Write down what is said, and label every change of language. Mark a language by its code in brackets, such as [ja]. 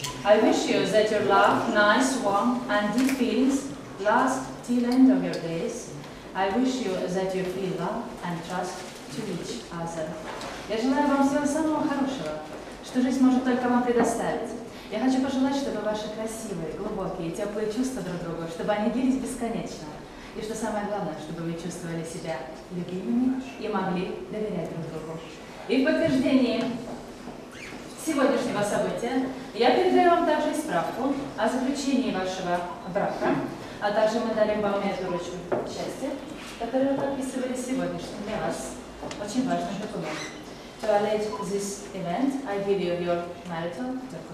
[en] I wish you that your love, nice, warm, and deep feelings last till end of your days. I wish you that you feel love and trust to each other. [ru] Я желаю вам всего самого хорошего, что жизнь может только вам предоставить. Я хочу пожелать, чтобы ваши красивые, глубокие, теплые чувства друг другу, чтобы они длились бесконечно. И что самое главное, чтобы вы чувствовали себя любимыми и могли доверять друг другу. И в подтверждении сегодняшнего события я передаю вам также и справку о заключении вашего брака, а также мы дали вам эту ручку счастья, которую вы подписывали сегодняшним для вас очень важным документом. [en] To allude to this event, I give you your marital document.